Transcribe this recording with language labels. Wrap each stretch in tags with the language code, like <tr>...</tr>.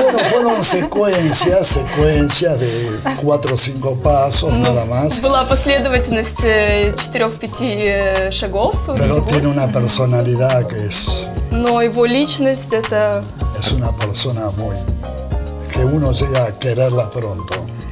<es>Fueron secuencias de 4 o 5 pasos, no, nada más.</es> <ru>Была последовательность 4-5 шагов.</ru> <es>Pero tiene una personalidad que es...</es> <ru>Но его личность это...</ru> <es>Es una persona muy... Que uno llega a quererla pronto.</es>